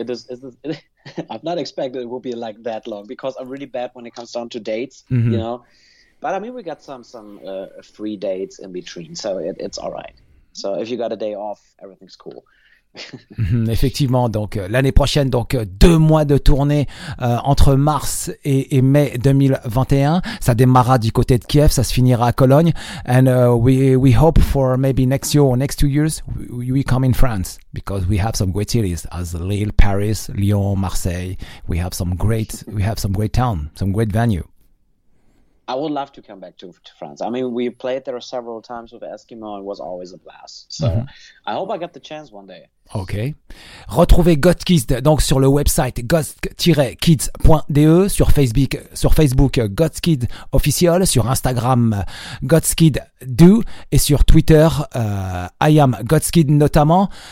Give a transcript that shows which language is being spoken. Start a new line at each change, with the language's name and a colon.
English: I've not expected it will be like that long because I'm really bad when it comes down to dates, mm-hmm. you know. But I mean, we got some free dates in between, so it's all right. So if you got a day off, everything's cool.
French: Effectivement, donc l'année prochaine, donc 2 mois de tournée entre mars et mai 2021. Ça démarra du côté de Kiev, ça se finira à Cologne.
English: And we hope for maybe next year or next 2 years we come in France because we have some great cities as Lille, Paris, Lyon, Marseille. We have some great town, some great venue. I would love to come back to France. I mean, we played there several times with Eskimo. It was always a blast. So mm-hmm. I hope I get the chance one day. Okay.
French: Retrouvez Godkids donc sur le website godkids.de, sur Facebook Godkids Official, sur Instagram GodskidDo et sur Twitter I am Godkid notamment.